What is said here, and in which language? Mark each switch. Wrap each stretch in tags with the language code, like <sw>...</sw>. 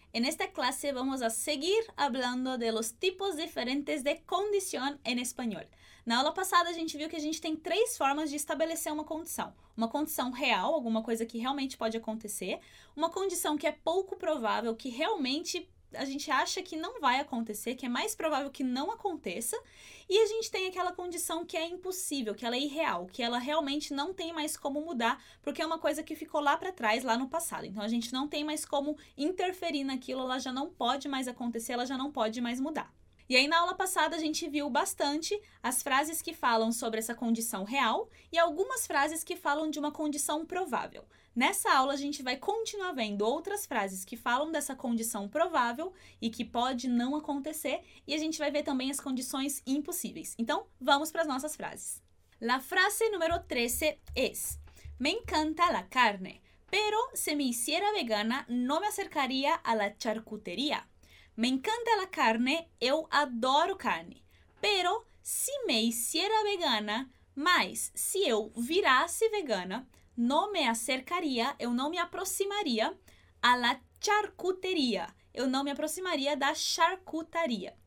<es>En esta clase vamos a seguir hablando de los tipos diferentes de condición en español.</es> <pt>Na aula passada a gente viu que a gente tem três formas de estabelecer uma condição real, alguma coisa que realmente pode acontecer, uma condição que é pouco provável, que realmente a gente acha que não vai acontecer, que é mais provável que não aconteça, e a gente tem aquela condição que é impossível, que ela é irreal, que ela realmente não tem mais como mudar, porque é uma coisa que ficou lá para trás, lá no passado. Então, a gente não tem mais como interferir naquilo, ela já não pode mais acontecer, ela já não pode mais mudar. E aí, na aula passada, a gente viu bastante as frases que falam sobre essa condição real e algumas frases que falam de uma condição provável. Nessa aula, a gente vai continuar vendo outras frases que falam dessa condição provável e que pode não acontecer, e a gente vai ver também as condições impossíveis. Então, vamos para as nossas frases.</pt> <es>La frase número 13 es: me encanta la carne, pero se me hiciera vegana, no me acercaría a la charcutería. Me encanta la carne,</es> <pt>eu adoro carne,</pt> <es>pero si me hiciera vegana,</es> <pt>mas se eu virasse vegana,</pt> <es>no me acercaría,</es> <pt>eu não me aproximaria</pt> <es>a la charcutería,</es> <pt>eu não me aproximaria da charcutaria.</pt>